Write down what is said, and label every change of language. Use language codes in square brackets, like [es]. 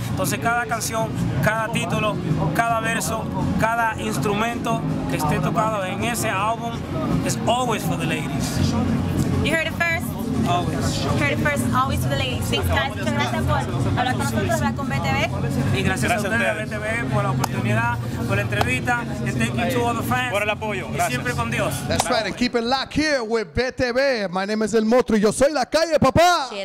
[es] Entonces cada canción, cada título, cada verso, cada instrumento que esté tocado en ese álbum es [en] always for the ladies. You heard it first. Always. Heard it first, always for the ladies. Thanks guys, [es] gracias por hablar con nosotros, hablar con BTV. Y gracias a ustedes, BTV, por la oportunidad, por la entrevista. [en] And thank you to all the fans. [es] Por el apoyo. Y siempre con Dios. [en] That's right, and keep it locked here with BTV. My name is [es] El Motro y yo soy la calle, papá.